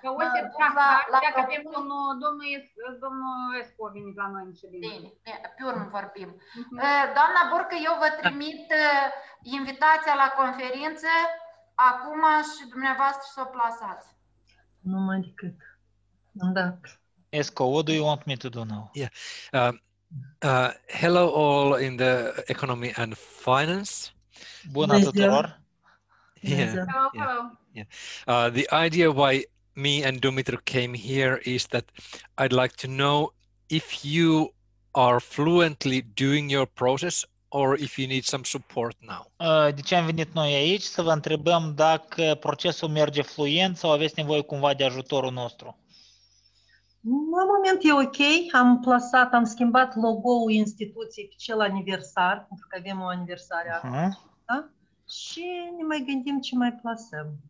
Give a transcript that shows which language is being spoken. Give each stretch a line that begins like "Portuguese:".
Romanian: Că uite, la că avem un domnul Esco a venit la noi în ședință. Bine, pe urmă vorbim. Doamna Burcă, eu vă trimit invitația la conferință acum și dumneavoastră s-o plasați. Numai decât. Da.
English: Esco, what do you want me to do now? Yeah. Hello all in the economy and finance.
Romanian: Bună tuturor.
English: Yeah. The idea why me and Dumitru came here is that I'd like to know if you are fluently doing your process or if you need some support now.
Romanian: De ce am venit noi aici? Să vă întrebăm dacă procesul merge fluent sau aveți nevoie cumva de ajutorul nostru. La moment e ok. Am plasat, am schimbat logo-ul instituției pe cel aniversar, pentru că avem o aniversare acum. Uh-huh. Da? Și ne mai gândim ce mai plasăm.